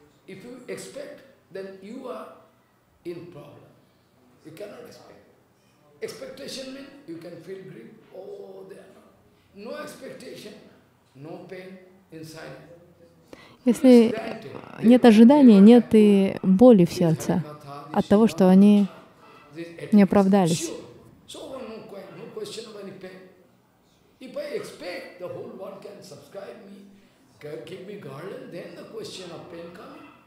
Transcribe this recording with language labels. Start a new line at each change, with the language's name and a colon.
English: If you expect, then you are in problem. You cannot expect. Expectation means you can feel grief. Oh, there are no expectation, no pain inside.
Russian: Если нет ожидания, нет и боли в сердце от того, что они не оправдались.
English: Sure. So no question of any pain. If I expect, the whole world can subscribe me, give me garland, then the question of pain comes.